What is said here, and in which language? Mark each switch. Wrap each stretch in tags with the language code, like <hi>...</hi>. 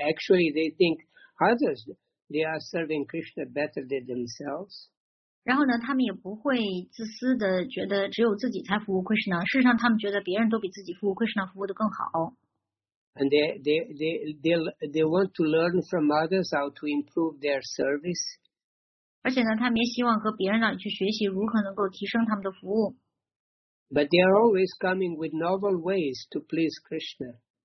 <en>Actually, they think others, they are serving Krishna better than themselves.</en> <zh>然后呢他们也不会自私的觉得只有自己才服务 Krishna. 事实上他们觉得别人都比自己服务 Krishna 服务得更好。</zh> <en>And they want to learn from others how to improve their service.</en> <zh>而且呢他们也希望和别人呢去学习如何能够提升他们的服务。</zh> <en>But they are always coming with novel ways to please Krishna.</en>